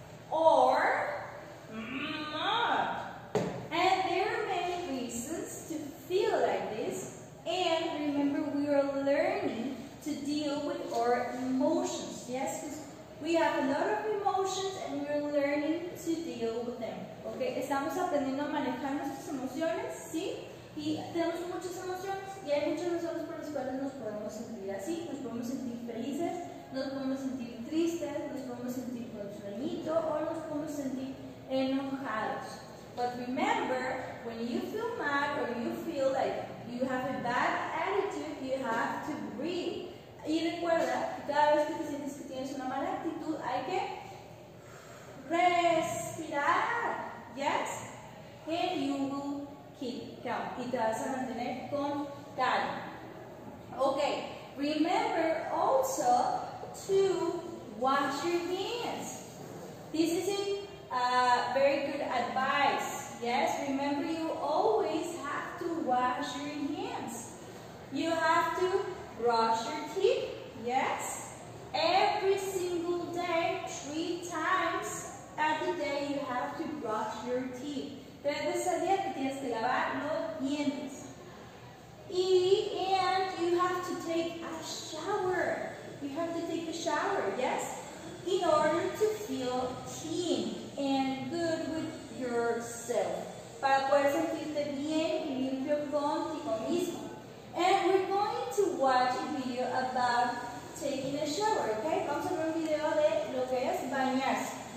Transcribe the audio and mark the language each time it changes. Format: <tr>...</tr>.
<en>Or mad. And there are many reasons to feel like this. And remember, we are learning to deal with our emotions. Yes, because we have a lot of emotions and we're learning to deal with them.</en> <es>Okay, estamos aprendiendo a manejar nuestras emociones, ¿sí? Y tenemos muchas emociones y hay muchas razones por las cuales nos podemos sentir así. Nos podemos sentir felices, nos podemos sentir tristes, nos podemos sentir con sueñito o nos podemos sentir enojados.</es> <en>But remember, when you feel mad or you feel like you have a bad attitude, you have to breathe.</en> <es>Y recuerda, cada vez que te sientes que tienes una mala actitud, hay que respirar.</es> <en>Yes? And you will keep calm.</en> <es>Y te vas a mantener con calma. Okay.</es> <en>Remember also to wash your hands. This is a very good advice. Yes? Remember, you always have to wash your hands. You have to brush your teeth. Yes? Every single day, 3 times. Every day you have to brush your teeth.</en> <es>Tres veces al día te tienes que lavar los dientes.</es> <en>And you have to take a shower. You have to take a shower, yes? In order to feel clean and good with yourself.</en> <es>Para poder sentirte bien y limpio contigo mismo.</es> <en>And we're going to watch a video about taking a shower, okay?</en> <es>Vamos a ver un video de lo que es bañarse.</es>